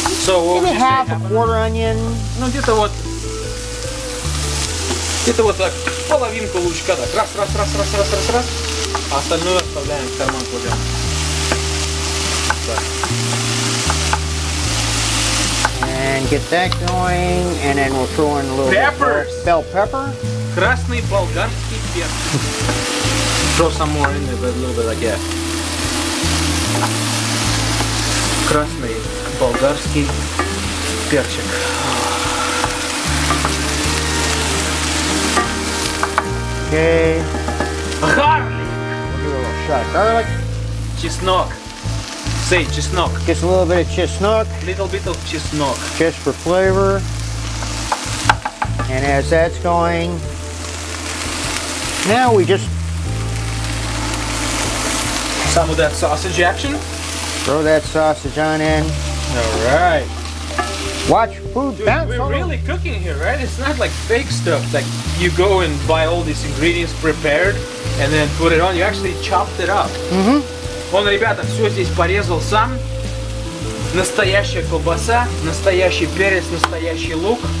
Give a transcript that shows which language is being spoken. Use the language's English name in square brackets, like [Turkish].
[English] Like half an onion? Maybe half a quarter onion. [Russian] Ну где-то вот... Где-то вот так, половинку лучка так. Раз, раз, раз, раз, раз, раз, раз. А остальное оставляем в карман кладем. Так. [English] And get that going, and then we'll throw in a little peppers. Bell pepper. [Russian] Красный болгарский перец. [English] Throw some more in there, but a little bit like that. [Russian] Красный болгарский перчик. [English] Okay. Garlic. We'll give it a shot. Garlic. Чеснок. Say chesnok. Just a little bit of chesnok. Little bit of chesnok. Just for flavor. And as that's going, now we just... Some of that sausage action. Throw that sausage on in. All right. Watch food Dude, bounce. We're really cooking here, right? It's not like fake stuff. Like you go and buy all these ingredients prepared and then put it on. You actually chopped it up. Mm-hmm. [Russian] Вон, ребята, все здесь порезал сам. Настоящая колбаса, настоящий перец, настоящий лук.